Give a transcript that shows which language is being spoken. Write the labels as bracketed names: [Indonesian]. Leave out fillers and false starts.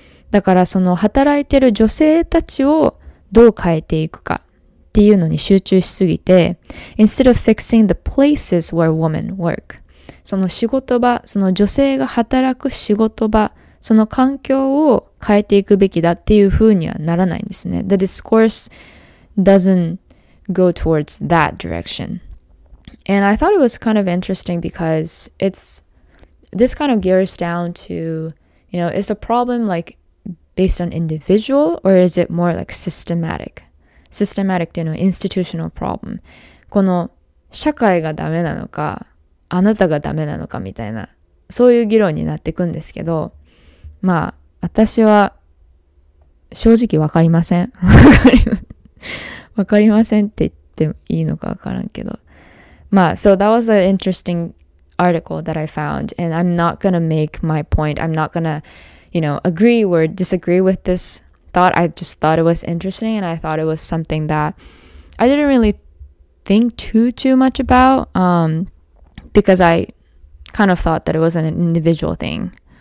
[Japanese] だから、その、働いてる女性たちをどう変えていくかっていうのに集中しすぎて、 [English] instead of fixing the places where women work. [Japanese] その仕事場、その女性が働く仕事場、その環境を変えていくべきだっていうふうにはならないんですね。 [English] The discourse doesn't go towards that direction. And I thought it was kind of interesting because this kind of gears down to, you know, is the problem like based on individual or is it more like systematic? Systematic [Japanese] っていうのは [English] institutional problem. [Japanese] この社会がダメなのか、あなたがダメなのかみたいな、そういう議論になっていくんですけど、まあ、私は正直わかりません。わかりませんって言ってもいいのかわからんけど。 [English] まあ、so that was an interesting article that I found, and I'm not gonna make my point. I'm not gonna, you know, agree or disagree with this thought. I just thought it was interesting, and I thought it was something that I didn't really think too much about, because I kind of thought that it was an individual thing.